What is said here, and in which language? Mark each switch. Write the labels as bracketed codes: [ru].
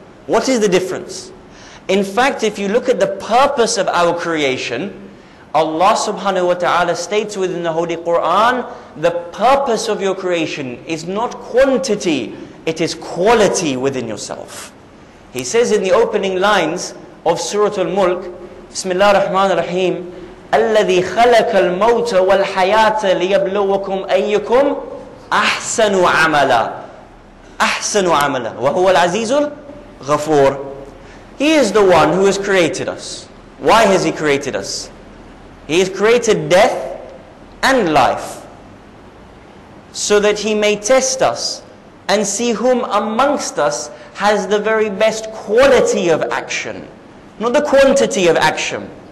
[en] What is the difference? In fact, if you look at the purpose of our creation, Allah subhanahu wa ta'ala states within the Holy Quran, the purpose of your creation is not quantity, it is quality within yourself. He says in the opening lines of Surah Al-Mulk, [ar] Bismillah ar-Rahman ar-Rahim, الَّذِي خَلَكَ الْمَوْتَ وَالْحَيَاةَ لِيَبْلُوَكُمْ أَيُّكُمْ أَحْسَنُ عَمَلًا أَحْسَنُ عَمَلًا وَهُوَ الْعَزِيزُ الْغَفُورُ. [en] He is the one who has created us. Why has He created us? He has created death and life so that He may test us and see whom amongst us has the very best quality of action, not the quantity of action.